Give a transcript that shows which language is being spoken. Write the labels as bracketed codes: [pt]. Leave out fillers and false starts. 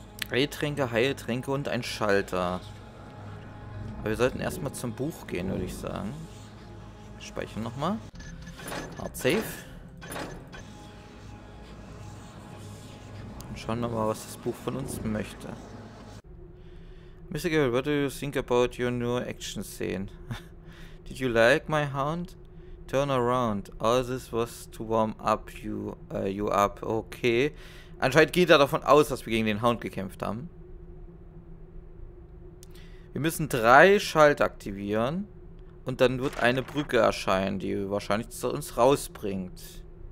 [de] Heiltränke, Heiltränke und ein Schalter. Aber wir sollten erstmal zum Buch gehen, würde ich sagen. Speichern nochmal. [en] Hard save. [de] Und schauen wir mal, was das Buch von uns möchte. [en] Mr. Gale, what do you think about your new action scene? Did you like my hand? Turn around. All this was to warm up you up. Okay. [de] Anscheinend geht er davon aus, dass wir gegen den Hound gekämpft haben. Wir müssen 3 Schalter aktivieren. Und dann wird eine Brücke erscheinen, die wahrscheinlich zu uns rausbringt.